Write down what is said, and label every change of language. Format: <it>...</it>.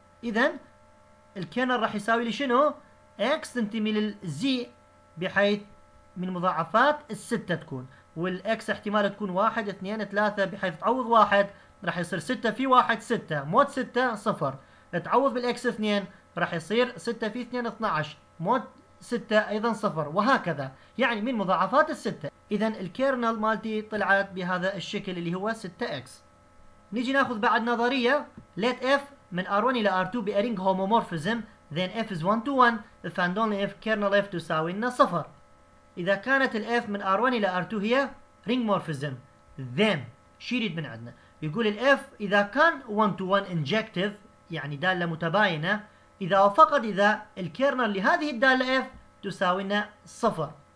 <ar>اذا الكيرنل راح يساوي لي شنو؟ اكس تنتمي للزي بحيث من مضاعفات الستة تكون، والاكس احتمال تكون 1 2 3 بحيث تعوض 1 راح يصير 6 في 1 6 مود 6 0، تعوض بالاكس 2 راح يصير 6 في 2 12 مود 6 ايضا صفر، وهكذا يعني من مضاعفات الستة. اذا الكيرنل مالتي طلعت بهذا الشكل اللي هو 6x. نيجي ناخذ بعد نظرية،</ar> <en>let f</en> <ar>من r1 الى r2</ar> <en>بارينج homomorphism then f is 1 to 1 if and only if kernel f</en> <ar>تساوي لنا صفر. إذا كانت ال f من R1 إلى R2 هي</ar> <en>ring morphism then</en> <ar>شو يريد من عندنا؟ يقول ال f إذا كان</ar> <en>1 to 1 injective</en> <ar>يعني دالة متباينة إذا وفقد إذا الكيرنل لهذه الدالة f تساوي لنا صفر.</ar>